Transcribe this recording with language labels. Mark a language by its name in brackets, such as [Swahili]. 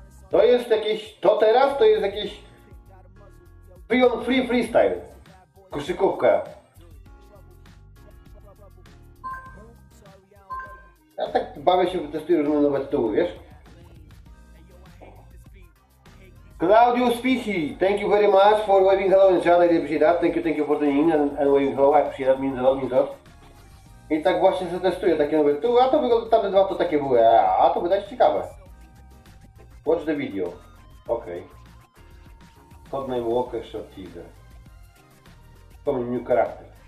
[Polish] To jest jakiś, to teraz to jest jakiś free on free freestyle, koszykówka. Ja tak bawię się, że testuję różne nowe tytuły, wiesz? [English] Claudius Fichy, thank you very much for waving hello in chat, I appreciate that. Thank you for tuning in and waving hello, I appreciate that, means a lot, means a lot. [Polish] I tak właśnie sobie testuję takie nowe tytuły, a to wygląda, tamte dwa to takie były, a to wydaje się ciekawe. [English] Watch the video. Ok. Codename Walker Short Teaser. Coming new character.